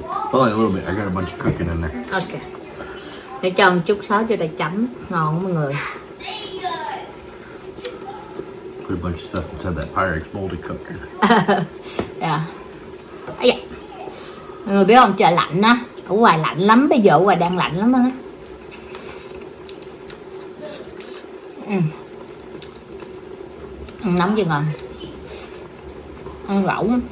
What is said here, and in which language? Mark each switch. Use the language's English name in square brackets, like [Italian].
[English] Probably a little bit. I got a bunch of cooking in there. Okay. [Vietnamese] Để cho một chút sốt cho ta chấm ngon mọi người. [English] Put a bunch of stuff inside that Pyrex bowl to cook. Yeah. [Vietnamese] Mọi người biết không, trời lạnh á. Ở ngoài lạnh lắm, bây giờ ở ngoài đang lạnh lắm á. Ăn nóng chưa ngon. Ăn lẩu.